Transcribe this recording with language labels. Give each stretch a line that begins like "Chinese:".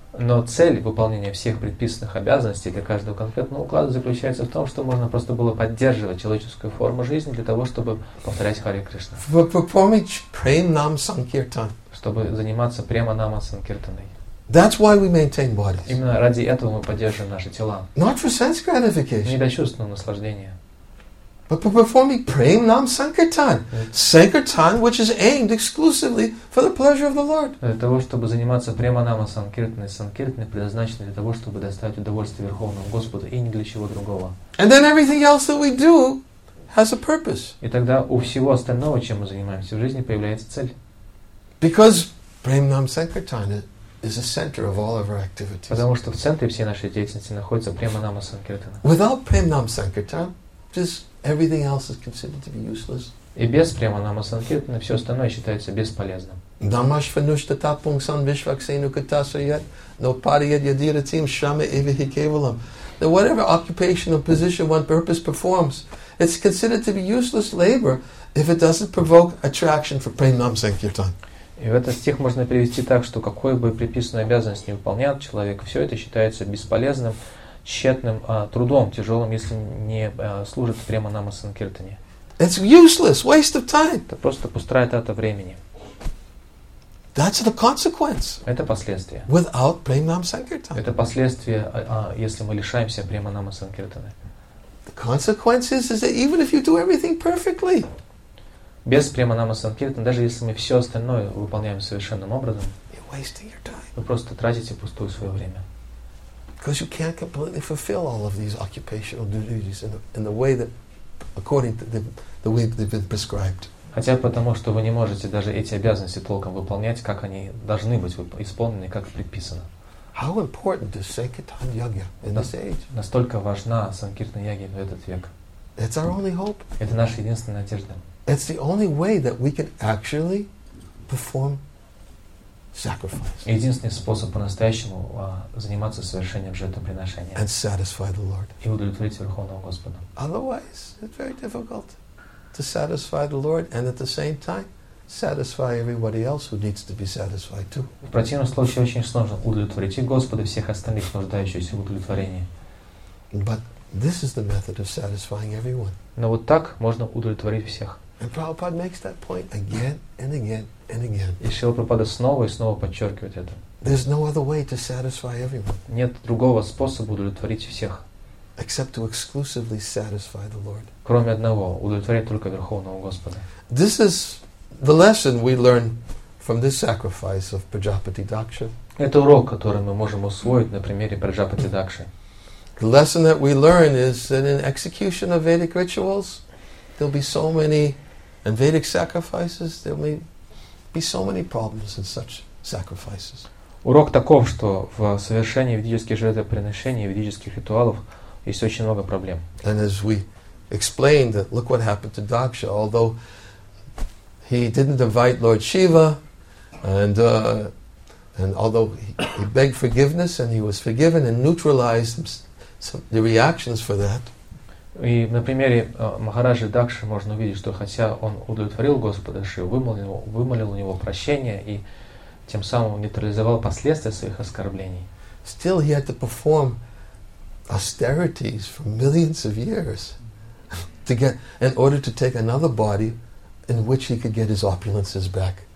Russian: Но цель выполнения всех предписанных обязанностей для каждого конкретного уклада заключается в том, что можно просто было поддерживать человеческую форму жизни для того, чтобы повторять Харе Кришна. Чтобы заниматься према нама санкиртаной.
English: That's why we maintain bodies.
Russian: Именно ради этого мы поддерживаем наши тела.
English: Not for sense gratification.
Russian: Не для чувственного наслаждения.
English: But for performing prem nam sankirtan, sankirtan which is aimed exclusively for the pleasure of the Lord.
Russian: Для того, чтобы заниматься према нама санкиртаной, санкиртаной предназначена для того, чтобы доставить удовольствие Верховному Господу и ни для чего другого.
English: And then everything else that we do has a purpose.
Russian: И тогда у всего остального, чем мы занимаемся в жизни, появляется цель.
English: Because prem nam sankirtan is the center of all of our activities.
Russian: Потому что в центре всей нашей деятельности находится према нама санкиртана.
English: Without prem nam sankirtan, just everything else is considered to be useless.
Russian: И без Премонама Санкиртана все остальное считается бесполезным.
Sanskrit: Намаш фанушта тапунг сан вишваксену катасарьят, но парьят ядира тим шаме ивихи кевалам.
English: That whatever occupation or position one purpose performs, it's considered to be useless labor if it doesn't provoke attraction for Premanam Sankirtan.
Russian: И в этот стих можно привести так, что какую бы приписанную обязанность не выполнял человек, все это считается бесполезным, тщетным трудом, тяжелым, если не служит Премонама Санкиртане.
English: It's useless, waste of time.
Russian: Это просто пустая трата времени.
English: That's the consequence.
Russian: Это последствия.
English: Without Premanam Sankirtan.
Russian: Это последствия, если мы лишаемся Премонама Санкиртаны.
English: The consequence is that even if you do everything perfectly.
Russian: Без Премонама Санкиртаны, даже если мы все остальное выполняем совершенным образом,
English: you're wasting your time.
Russian: Вы просто тратите пустую свое время.
English: Because you can't completely fulfill all of these occupational duties in the way that according to the way they've been prescribed.
Russian: Хотя потому, что вы не можете даже эти обязанности толком выполнять, как они должны быть исполнены, как предписано.
English: How important is Sankirtan Yagya in this age?
Russian: Настолько важна Санкиртан Ягья в этот век.
English: It's our only hope.
Russian: Это наша единственная надежда.
English: It's the only way that we can actually perform sacrifice.
Russian: Единственный способ по-настоящему заниматься совершением жертвоприношения.
English: And satisfy the Lord.
Russian: И удовлетворить Верховного Господа.
English: Otherwise, it's very difficult. To satisfy the Lord and at the same time satisfy everybody else who needs to be satisfied too.
Russian: В противном случае очень сложно удовлетворить и Господа, и всех остальных нуждающихся в удовлетворении.
English: But this is the method of satisfying everyone.
Russian: Но вот так можно удовлетворить всех.
English: And Prabhupada makes that point again and again and again.
Russian: И Шрила Прабхупада снова и снова подчеркивает это.
English: There's no other way to satisfy everyone.
Russian: Нет другого способа удовлетворить всех.
English: Except to exclusively satisfy the Lord.
Russian: Кроме одного, удовлетворять только Верховного Господа.
English: This is the lesson we learn from this sacrifice of Prajapati Daksha.
Russian: Это урок, который мы можем усвоить на примере Праджапати Дакши.
English: The lesson that we learn is that in execution of Vedic rituals, there'll be so many, and Vedic sacrifices, there may be so many problems in such sacrifices.
Russian: Урок таков, что в совершении ведических жертвоприношений, ведических ритуалов есть очень много проблем.
English: And as we explained, that look what happened to Daksha. Although he didn't invite Lord Shiva, and although he begged forgiveness and he was forgiven and neutralized some the reactions for that.
Russian: И на примере Махараджи Дакши можно увидеть, что хотя он удовлетворил Господа Шиву, вымолил у него прощение и тем самым нейтрализовал последствия своих оскорблений.
English: Still, he had to perform austerities for millions of years to get in order to take another body in which he could get his opulences back.